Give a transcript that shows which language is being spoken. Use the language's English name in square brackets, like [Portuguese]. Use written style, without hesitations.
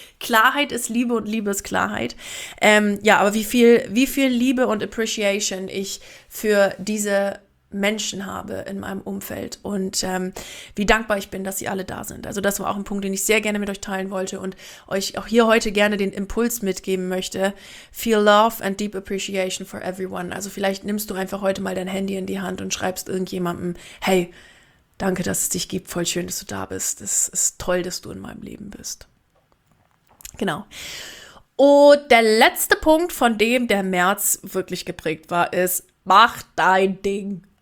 [German] Klarheit ist Liebe und Liebe ist Klarheit. Aber wie viel Liebe und Appreciation ich für diese Menschen habe in meinem Umfeld und wie dankbar ich bin, dass sie alle da sind. Also das war auch ein Punkt, den ich sehr gerne mit euch teilen wollte und euch auch hier heute gerne den Impuls mitgeben möchte. [English] Feel love and deep appreciation for everyone. [German] Also vielleicht nimmst du einfach heute mal dein Handy in die Hand und schreibst irgendjemandem, hey, danke, dass es dich gibt, voll schön, dass du da bist. Es ist toll, dass du in meinem Leben bist. Genau. Und der letzte Punkt, von dem der März wirklich geprägt war, ist, mach dein Ding.